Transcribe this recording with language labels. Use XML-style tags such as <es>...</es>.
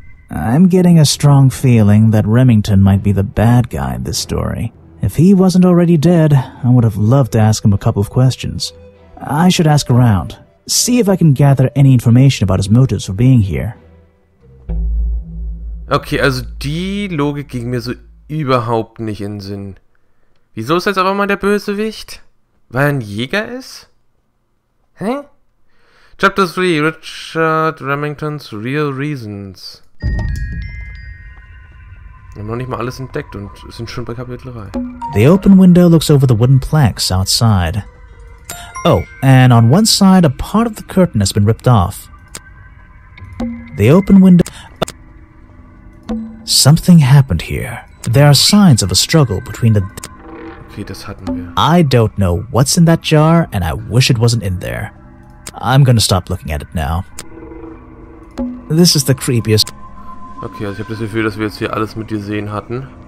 <en>I'm getting a strong feeling that Remington might be the bad guy in this story. If he wasn't already dead, I would have loved to ask him a couple of questions. I should ask around, see if I can gather any information about his motives for being here.</en> <de>Okay, also die Logik ging mir so überhaupt nicht in Sinn. Wieso ist jetzt aber mal der Bösewicht? Weil er ein Jäger ist? Hä?</de> <en>Chapter 3, Richard Remington's Real Reasons.</en> <de>Wir haben noch nicht mal alles entdeckt und sind schon bei Kapitel 3.</de> <en>The open window looks over the wooden planks outside. Oh, and on one side a part of the curtain has been ripped off. The open window... Something happened here. There are signs of a struggle between the...</en> <de>Das hatten wir.</de> <en>I don't know what's in that jar, and I wish it wasn't in there. I'm gonna stop looking at it now. This is the creepiest.</en> <de>Okay, also ich habe das Gefühl, dass wir jetzt hier alles mit gesehen hatten.</de>